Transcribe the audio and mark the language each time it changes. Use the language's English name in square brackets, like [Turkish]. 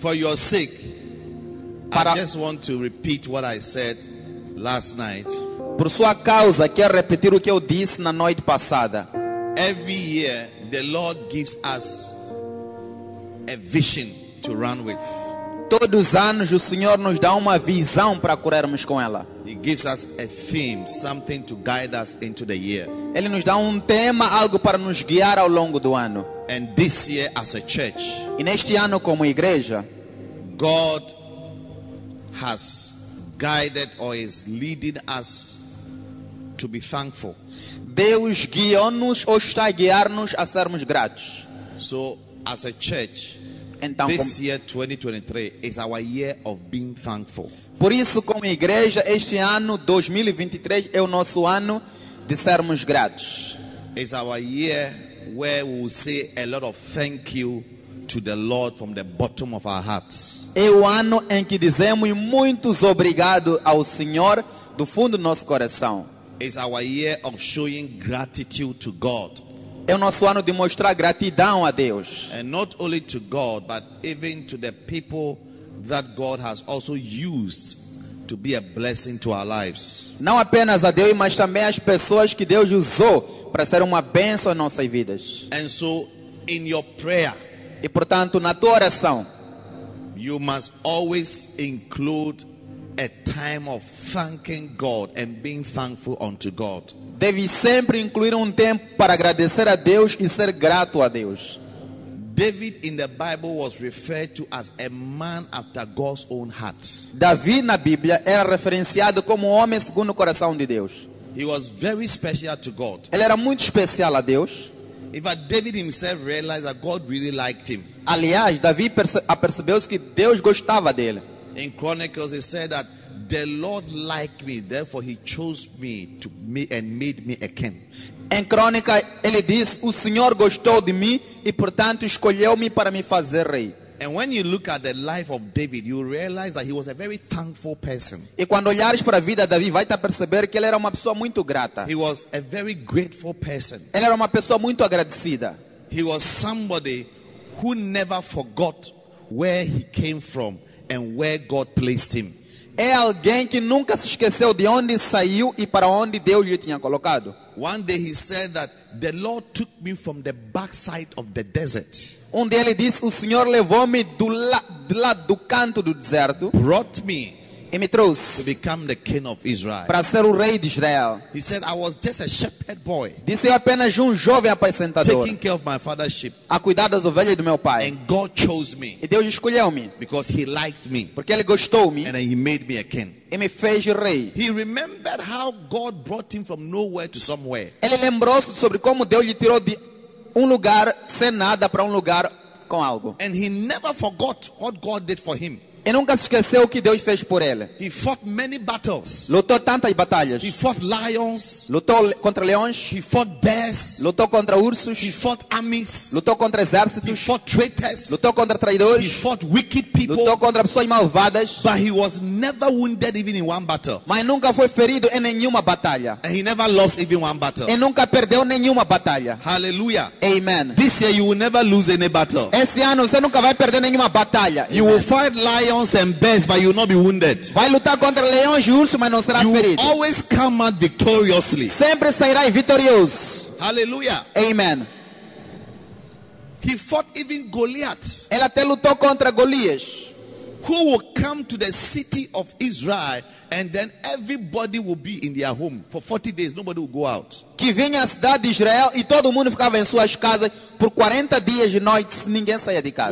[English] For your sake, I just want to repeat what I said last night. [Portuguese] Por sua causa, quero repetir o que eu disse na noite passada. [English] Every year, the Lord gives us a vision to run with. [Portuguese] Todos os anos o Senhor nos dá uma visão para corrermos com ela. [English] He gives us a theme, something to guide us into the year. [Portuguese] Ele nos dá tema, algo para nos guiar ao longo do ano. [English] And this year as a church. [Portuguese] E neste ano como igreja, [English] God has guided or is leading us to be thankful. [Portuguese] Deus guiou-nos ou está a guiar-nos a sermos gratos. [English] So as a church, [Portuguese] então, [English] this year 2023 is our year of being thankful. [Portuguese] Por isso, como igreja, este ano 2023 é o nosso ano de sermos gratos. [English] It's our year where we will say a lot of thank you to the Lord from the bottom of our hearts. [Portuguese] É o ano em que dizemos muitos obrigado ao Senhor do fundo do nosso coração. [English] It's our year of showing gratitude to God. [Portuguese] É o nosso ano de mostrar gratidão a Deus. [English] And not only to God, but even to the people that God has also used to be a blessing to our lives. [Portuguese] Não apenas a Deus, mas também as pessoas que Deus usou para ser uma bênção em nossas vidas. [English] And so, in your prayer, [Portuguese] e portanto, na tua oração, [English] you must always include a time of thanking God and being thankful unto God. [Portuguese] Deve sempre incluir tempo para agradecer a Deus e ser grato a Deus. [English] David in the Bible was referred to as a man after God's own heart. [Portuguese] Davi na Bíblia era referenciado como homem segundo o coração de Deus. [English] He was very special to God. [Portuguese] Ele era muito especial a Deus. [English] In fact, David himself realized that God really liked him. [Portuguese] Aliás, Davi apercebeu-se que Deus gostava dele. [English] In Chronicles, he said that the Lord liked me, therefore he chose me to me and made me a king. [Portuguese] Em Crônica, ele diz, o Senhor gostou de mim e portanto escolheu-me para me fazer rei. [English] And when you look at the life of David, you realize that he was a very thankful person. [Portuguese] E quando olhares para a vida de Davi, vai te perceber que ele era uma pessoa muito grata. [English] He was a very grateful person. [Portuguese] Ele era uma pessoa muito agradecida. [English] He was somebody who never forgot where he came from and where God placed him. [Portuguese] É alguém que nunca se esqueceu de onde saiu e para onde Deus lhe tinha colocado. [English] One day he said that the Lord took me from the backside of the desert. [Portuguese] Onde ele disse, o Senhor levou-me do lado do canto do deserto. [English] Brought me. [Portuguese] E me trouxe. [English] To become the king of Israel. [Portuguese] Para ser o rei de Israel. [English] He said I was just a shepherd boy. [Portuguese] Disse eu apenas jovem apacentador. [English] Taking care of my father's sheep. [Portuguese] A cuidar das ovelhas do meu pai. [English] And God chose me. [Portuguese] E Deus escolheu-me. [English] Because he liked me. [Portuguese] Porque ele gostou-me. [English] And he made me a king. [Portuguese] E me fez rei. [English] He remembered how God brought him from nowhere to somewhere. [Portuguese] Ele lembrou-se sobre como Deus lhe tirou de lugar sem nada para lugar com algo. [English] And he never forgot what God did for him. [Portuguese] E nunca se esqueceu o que Deus fez por ele. [English] He fought many battles. [Portuguese] Lutou tantas batalhas. [English] He fought lions. [Portuguese] Lutou contra leões. [English] He fought bears. [Portuguese] Lutou contra ursos. [English] He fought armies. [Portuguese] Lutou contra exércitos. [English] He fought traitors. [Portuguese] Lutou contra traidores. [English] He fought wicked people. [Portuguese] Lutou contra pessoas malvadas. [English] But he was never wounded even in one battle. [Portuguese] Mas nunca foi ferido em nenhuma batalha. [English] And he never lost even one battle. [Portuguese] E nunca perdeu nenhuma batalha. Hallelujah. Amen. [English] This year you will never lose any battle. [Portuguese] Esse ano você nunca vai perder nenhuma batalha. [English] You will fight lions and bears, but you will not be wounded. [Portuguese] Vai lutar contra leões e ursos, mas não será [English] you [Portuguese] ferido. [English] You always come out victoriously. [Portuguese] Sempre sairá vitorioso. Hallelujah. Amen. [English] He fought even Goliath. [Portuguese] Ele até lutou contra Golias. [English] who will come to the city of Israel, and then everybody will be in their home for 40 days. Nobody will go out. [Portuguese] Que venha a cidade de Israel e todo mundo ficava em suas casas por 40 dias de noite, ninguém saía de casa.